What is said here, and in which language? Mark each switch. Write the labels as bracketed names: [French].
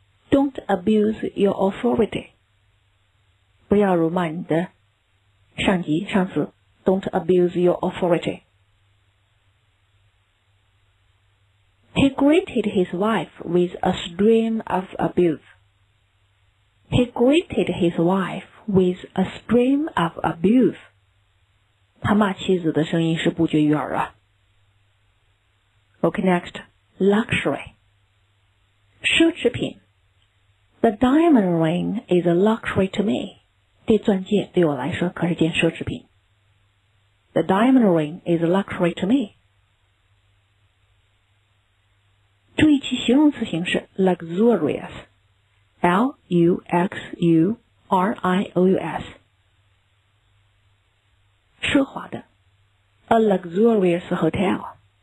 [English] Don't abuse your authority, [Chinese] 不要辱骂你的上级、上司。 [English] Don't abuse your authority. He greeted his wife with a stream of abuse. He greeted his wife with a stream of abuse. [Chinese] 他骂妻子的声音是不绝于耳啊。 [English] Okay, next. Luxury. 奢侈品。 The diamond ring is a luxury to me. [Chinese] 这钻戒对我来说可是件奢侈品。 [English] The diamond ring is a luxury to me. [Chinese] 注意其形容词形式 luxurious, L-U-X-U-R-I-O-U-S, 奢华的 [English] a luxurious hotel.